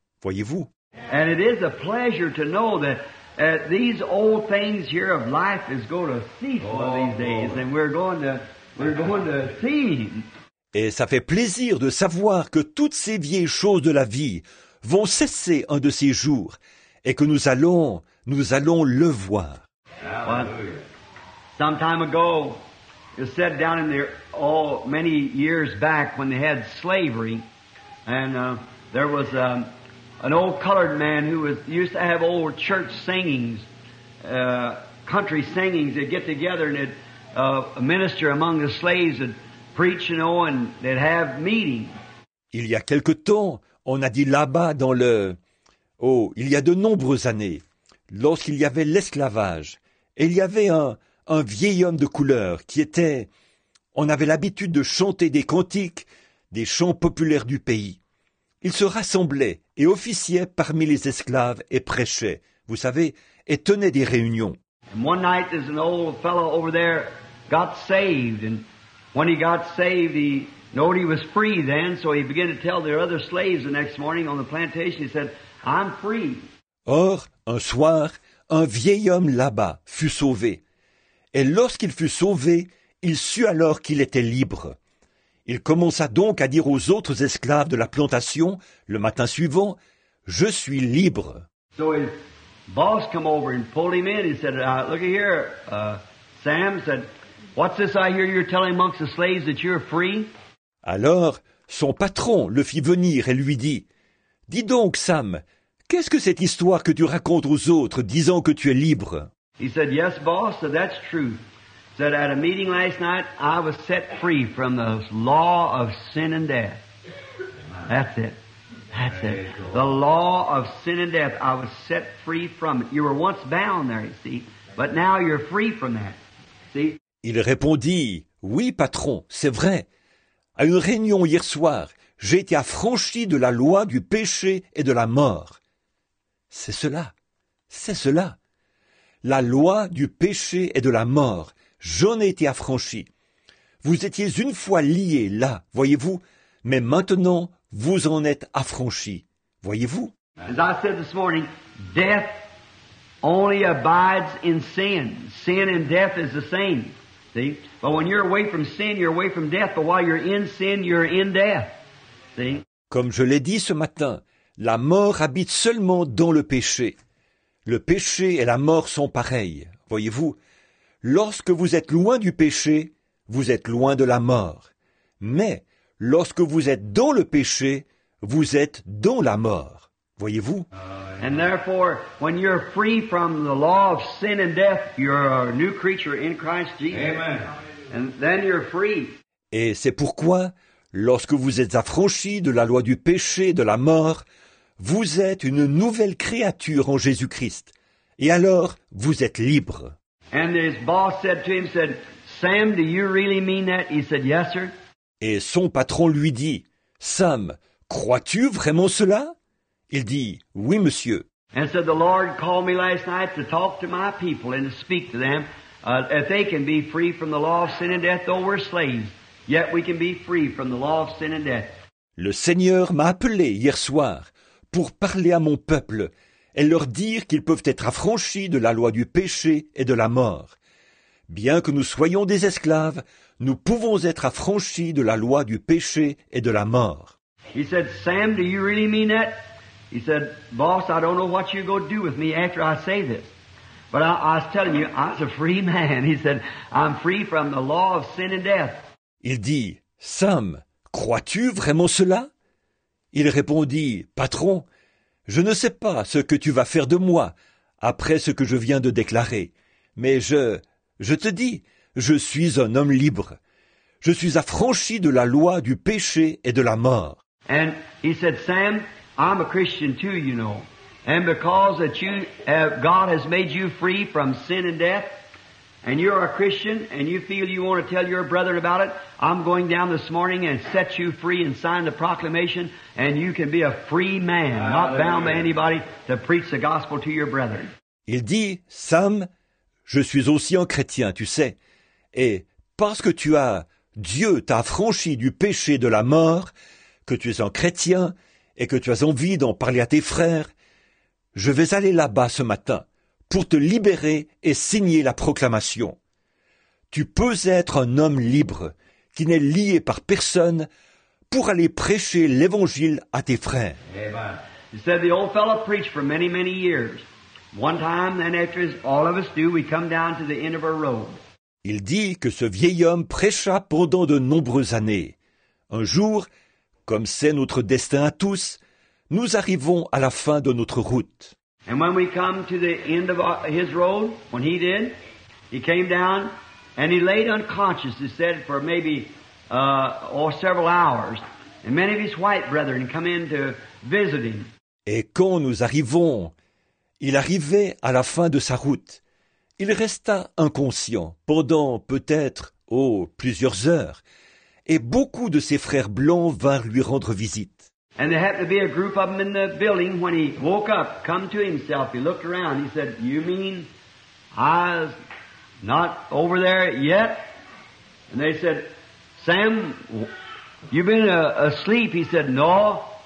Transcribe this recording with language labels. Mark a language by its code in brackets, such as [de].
[fr] Voyez-vous? [en] And it is a pleasure to know that these old things here of life is going to cease one of these days, and we're going to see. [fr] Et ça fait plaisir de savoir que toutes ces vieilles choses de la vie vont cesser un de ces jours et que nous allons le voir. [en] Some time ago, it said down in there, oh, many years back when they had slavery, and there was an old colored man who was used to have old church singings, country singings. They'd get together and a minister among the slaves and preach, you know, and they'd have meetings. [fr] Il y a quelque temps, on a dit là-bas dans le... Oh, il y a de nombreuses années, lorsqu'il y avait l'esclavage, et il y avait un vieil homme de couleur qui était... On avait l'habitude de chanter des cantiques, des chants populaires du pays. Il se rassemblait et officiait parmi les esclaves et prêchait, vous savez, et tenait des réunions. [en] And one night, there's an old fellow over there got saved, and when he got saved, he knowed he was free then, so he began to tell their other slaves the next morning on the plantation, he said, "I'm free." [fr] Or, un soir, un vieil homme là-bas fut sauvé. Et lorsqu'il fut sauvé, il sut alors qu'il était libre. Il commença donc à dire aux autres esclaves de la plantation, le matin suivant, « Je suis libre. » [en] So his boss came over and pulled him in. He said, "Look here, Sam," said, "What's this I hear you're telling amongst the slaves that you're free?" [fr] Alors, son patron le fit venir et lui dit, « Dis donc, Sam, qu'est-ce que cette histoire que tu racontes aux autres, disant que tu es libre ?» [en] He said, "Yes, boss, so that's true. He said, at a meeting last night, I was set free from the law of sin and death. That's it. That's it. The law of sin and death, I was set free from it. You were once bound there, you see, but now you're free from that. See?" [fr] Il répondit, « Oui, patron, c'est vrai. À une réunion hier soir, j'ai été affranchi de la loi du péché et de la mort. » C'est cela. C'est cela. La loi du péché et de la mort. J'en ai été affranchi. Vous étiez une fois liés là, voyez-vous, mais maintenant, vous en êtes affranchi. Voyez-vous? [en] As I said this morning, death only abides in sin. Sin and death is the same. See? But when you're away from sin, you're away from death. But while you're in sin, you're in death. See? [fr] Comme je l'ai dit ce matin, la mort habite seulement dans le péché. Le péché et la mort sont pareils, voyez-vous. Lorsque vous êtes loin du péché, vous êtes loin de la mort. Mais lorsque vous êtes dans le péché, vous êtes dans la mort, voyez-vous. [en] And therefore, when you're free from the law of sin and death, you're a new creature in Christ Jesus. Amen. And then you're free. [fr] Et c'est pourquoi, lorsque vous êtes affranchi de la loi du péché et de la mort, vous êtes une nouvelle créature en Jésus-Christ. Et alors, vous êtes libre. [en] And his boss said to him, said, "Sam, do you really mean that?" He said, "Yes, sir." [fr] Et son patron lui dit, « Sam, crois-tu vraiment cela ?» Il dit, « Oui, monsieur. » [en] And so the Lord called me last night to talk to my people and to speak to them, if they can be free from the law of sin and death, though we're slaves. Yet we can be free from the law of sin and death. [fr] Le Seigneur m'a appelé hier soir pour parler à mon peuple et leur dire qu'ils peuvent être affranchis de la loi du péché et de la mort. Bien que nous soyons des esclaves, nous pouvons être affranchis de la loi du péché et de la mort. [en] He said, Sam, do you really mean that? He said, boss, I don't know what you're going to do with me after I say this. But I was telling you, I'm a free man. He said, I'm free from the law of sin and death. [fr] Il dit, Sam, crois-tu vraiment cela? Il répondit, patron, je ne sais pas ce que tu vas faire de moi après ce que je viens de déclarer, mais je te dis, je suis un homme libre. Je suis affranchi de la loi du péché et de la mort. [en] And he said, Sam, I'm a Christian too, you know. And because that you have, God has made you free from sin and death, and you're a Christian, and you feel you want to tell your brethren about it, I'm going down this morning and set you free and sign the proclamation, and you can be a free man, not bound by anybody, to preach the gospel to your brethren. [fr] Il dit, Sam, je suis aussi un chrétien, tu sais, et parce que tu as, Dieu t'a franchi du péché de la mort, que tu es un chrétien, et que tu as envie d'en parler à tes frères, je vais aller là-bas ce matin pour te libérer et signer la proclamation. Tu peux être un homme libre, qui n'est lié par personne, pour aller prêcher l'évangile à tes frères. [en] He said the old fellow preached for many, many years. One time, and after all of us do, we come down to the end of our road. [fr] Il dit que ce vieil homme prêcha pendant de nombreuses années. Un jour, comme c'est notre destin à tous, nous arrivons à la fin de notre route. [en] And when we come to the end of his road, when he did, he came down and he laid unconscious, he said, for maybe several hours. And many of his white brethren come in to visit him. [fr] Et quand nous arrivons, il arrivait à la fin de sa route. Il resta inconscient pendant peut-être plusieurs heures. Et beaucoup de ses frères blancs vinrent lui rendre visite. [en] And there happened to be a group of them in the building when he woke up, come to himself, he looked around, he said, you mean I'm not over there yet? And they said, Sam, you've been asleep. He said, no.